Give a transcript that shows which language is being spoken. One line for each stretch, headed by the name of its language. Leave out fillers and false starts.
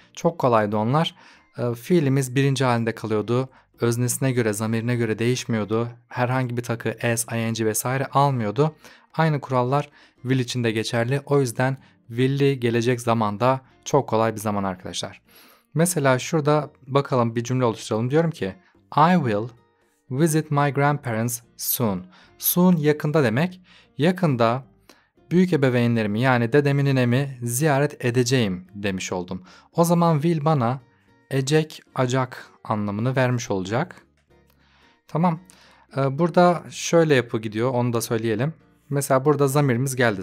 Turkish: Çok kolaydı onlar. Fiilimiz birinci halinde kalıyordu. Öznesine göre, zamirine göre değişmiyordu. Herhangi bir takı s, ing vesaire almıyordu. Aynı kurallar will için de geçerli. O yüzden will'li gelecek zamanda çok kolay bir zaman arkadaşlar. Mesela şurada bakalım, bir cümle oluşturalım. Diyorum ki
English: I will visit my grandparents soon.
Turkish: Soon yakında demek. Yakında büyük ebeveynlerimi yani dedemin ninemi ziyaret edeceğim demiş oldum. O zaman will bana ecek, acak anlamını vermiş olacak. Tamam. Burada şöyle yapı gidiyor, onu da söyleyelim. Mesela burada zamirimiz geldi.